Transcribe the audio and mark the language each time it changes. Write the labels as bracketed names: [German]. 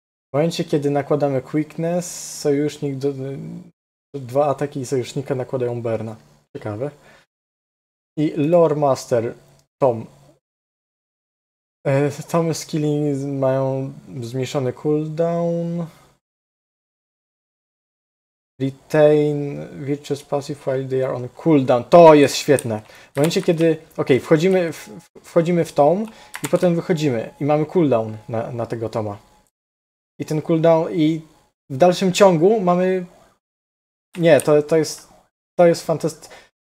[Polish] W momencie, kiedy nakładamy quickness, sojusznik, dwa ataki sojusznika nakładają burna. Ciekawe. I lore master Tom. Tom skilli mają zmniejszony cooldown. [English] Retain Virtuous Passive while they are on cooldown. [Polish] To jest świetne. W momencie, kiedy... Okej, wchodzimy w tom i potem wychodzimy i mamy cooldown na tego toma. I ten cooldown... I w dalszym ciągu mamy... Nie, to jest fantastyczne.